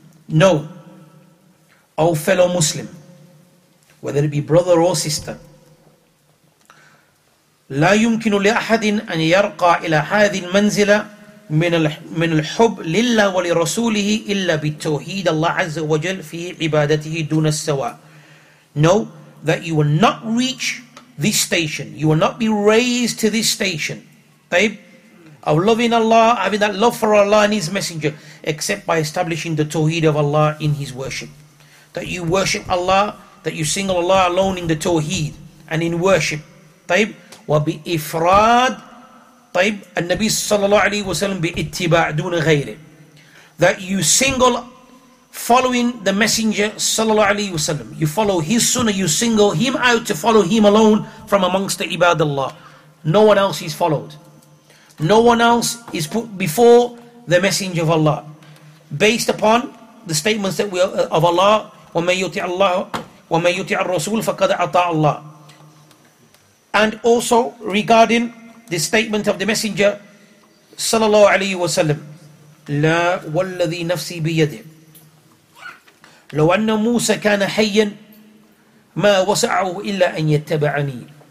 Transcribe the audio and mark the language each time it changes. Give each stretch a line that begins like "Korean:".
English: Know, O fellow Muslim, whether it be brother or sister,
Arabic: لا يمكن لأحد أن يرقى إلى هذه المنزلة من الحب لله ولرسوله إلا بالتوحيد الله عز وجل في عبادته دون السواء.
English: Know that you will not reach this station, you will not be raised to this station, طيب, of loving Allah, having that love for Allah and His Messenger, except by establishing the Tawheed of Allah in His worship. That you worship Allah, that you single Allah alone in the Tawheed and in worship.
Arabic: طيب, وبإفراد, طيب, النبي صلى الله عليه وسلم بإتباع دون غيره.
English: That you single following the Messenger صلى الله عليه وسلم, you follow his sunnah, you single him out to follow him alone from amongst the Ibadallah. No one else is followed. No one else is put before the Messenger of Allah. Based upon the statements that of Allah,
Arabic: وَمَن يُطِعِ اللَّهَ وَمَن يُطِعِ الرَّسُولَ فَقَدْ أَطَاعَ اللَّهَ.
English: And also regarding the statement of the Messenger sallallahu alayhi wa sallam,
Arabic: لَا وَالَّذِي نَفْسِي بِيَدِهِ لَوْ أَنَّ مُوسَى كَانَ حَيًّا مَا وَسَعَهُ إِلَّا أَن يَتَّبَعَنِي.